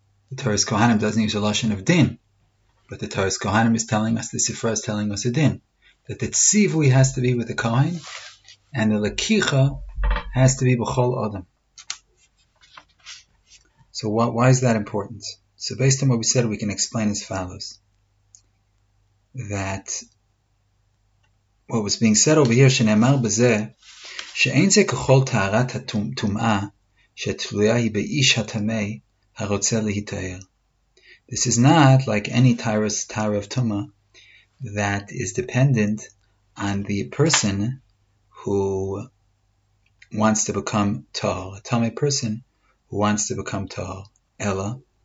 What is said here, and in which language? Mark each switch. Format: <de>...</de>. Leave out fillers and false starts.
<en>The Torah's Kohanim doesn't use a Lashon of din, but the Torah's Kohanim is telling us, the Sifra is telling us a din, that the Tzivui has to be with the Kohen, and the Lakicha has to be B'chol Adam. So why is that important? So based on what we said, we can explain as follows. That what was being said over here,</en> <he>שנאמר בזה, שאין זה ככל טהרת הטומאה שתלויה היא באיש הטמא הרוצה להיטהר.</he> <en>This is not like any tara of tuma that is dependent on the person who wants to become tall. A tame person who wants to become tall. Ella.</en>